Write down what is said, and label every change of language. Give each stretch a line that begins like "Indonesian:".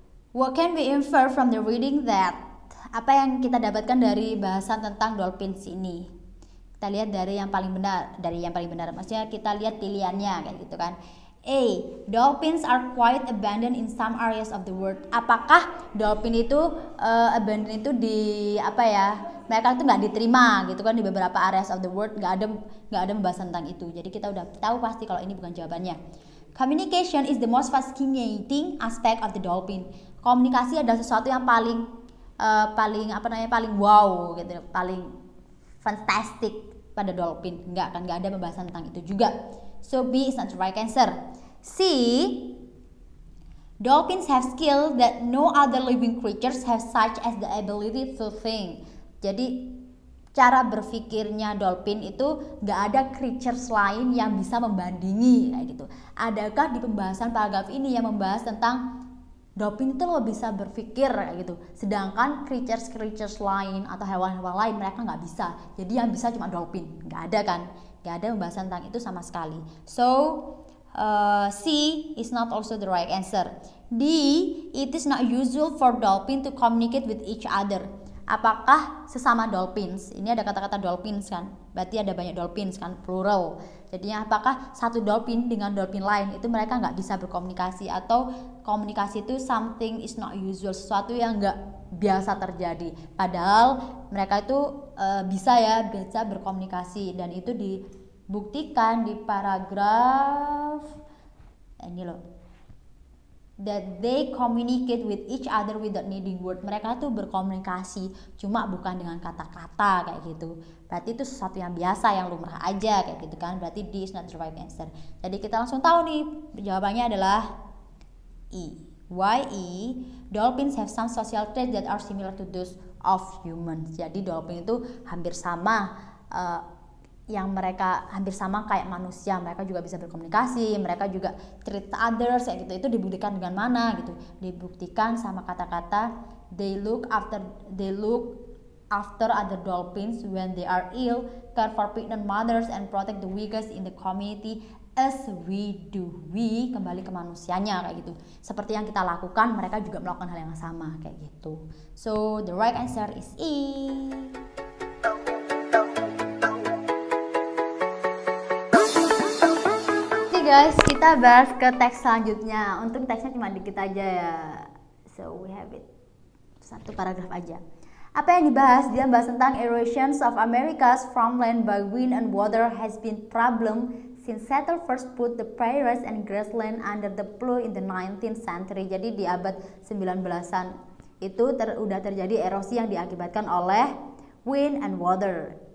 English: What can we infer from the reading that?
Indonesian: Apa yang kita dapatkan dari bahasan tentang dolphins ini? Kita lihat dari yang paling benar, maksudnya kita lihat pilihannya kan gitu kan. A.
English: Dolphins are quite abundant in some areas of the world.
Indonesian: Apakah dolphin itu abundant itu di apa ya? Mereka itu nggak diterima gitu kan di beberapa
English: areas of the world,
Indonesian: nggak ada pembahasan tentang itu. Jadi kita udah tahu pasti kalau ini bukan jawabannya.
English: Communication is the most fascinating aspect of the dolphin.
Indonesian: Komunikasi adalah sesuatu yang paling paling wow gitu, paling fantastic pada dolphin. Nggak kan? Nggak ada pembahasan tentang itu juga.
English: So B is not the right answer. C, dolphins have skill that no other living creatures have, such as the ability to think.
Indonesian: Jadi cara berpikirnya dolphin itu gak ada creatures lain yang bisa membandingi kayak gitu. Adakah di pembahasan paragraf ini yang membahas tentang dolphin itu lo bisa berpikir kayak gitu, sedangkan creatures lain atau hewan-hewan lain mereka gak bisa. Jadi yang bisa cuma dolphin, gak ada kan? Gak ada pembahasan tentang itu sama sekali.
English: So, C is not also the right answer. D, it is not usual for dolphins to communicate with each other.
Indonesian: Apakah sesama dolphins? Ini ada kata-kata dolphins kan? Berarti ada banyak dolphins kan? Plural. Jadi apakah satu dolphin dengan dolphin lain itu mereka gak bisa berkomunikasi? Atau komunikasi itu
English: something is not usual,
Indonesian: sesuatu yang gak biasa terjadi. Padahal mereka itu bisa berkomunikasi. Dan itu dibuktikan di paragraf ini loh.
English: that they communicate with each other without needing word.
Indonesian: Mereka tuh berkomunikasi cuma bukan dengan kata-kata kayak gitu. Berarti itu sesuatu yang biasa, yang lumrah aja kayak gitu kan. Berarti
English: this is not the right answer.
Indonesian: Jadi kita langsung tahu nih jawabannya adalah E.
English: Why E? Dolphins have some social traits that are similar to those of humans.
Indonesian: Jadi dolphin itu hampir sama yang mereka hampir sama kayak manusia, mereka juga bisa berkomunikasi, mereka juga
English: treat others
Indonesian: kayak gitu. Itu dibuktikan dengan mana gitu? Dibuktikan sama kata-kata
English: they look after other dolphins when they are ill, care for pregnant mothers and protect the weakest in the community as we do.
Indonesian: We kembali ke manusianya kayak gitu. Seperti yang kita lakukan, mereka juga melakukan hal yang sama kayak gitu.
English: So the right answer is E.
Indonesian: Guys, kita bahas ke teks selanjutnya. Untung teksnya cuma dikit aja ya.
English: So we have it.
Indonesian: Satu paragraf aja. Apa yang dibahas? Dia bahas tentang
English: erosion of America's farmland by wind and water has been problem since settlers first put the prairies and grassland under the plow in the 19th century.
Indonesian: Jadi di abad 19-an itu udah terjadi erosi yang diakibatkan oleh
English: wind and water.